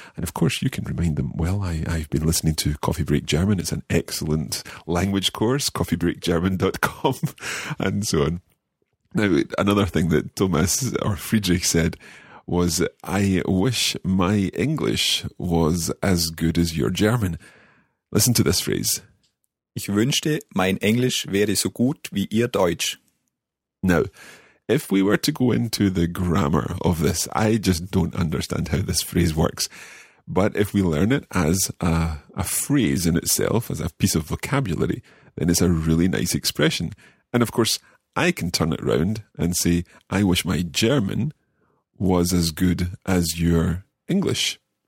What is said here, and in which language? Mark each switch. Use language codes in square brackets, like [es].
[en] And of course you can remind them, well, I've been listening to Coffee Break German. It's an excellent language course, coffeebreakgerman.com, and so on. Now, another thing that Thomas or Friedrich said was, I wish my English was as good as your German. Listen to this phrase. [de] Ich wünschte, mein Englisch wäre so gut wie Ihr Deutsch. [en] Now, if we were to go into the grammar of this, I just don't understand how this phrase works. But if we learn it as a phrase in itself, as a piece of vocabulary, then it's a really nice expression. And of course, I can turn it around and say, I wish my German was as good as your English.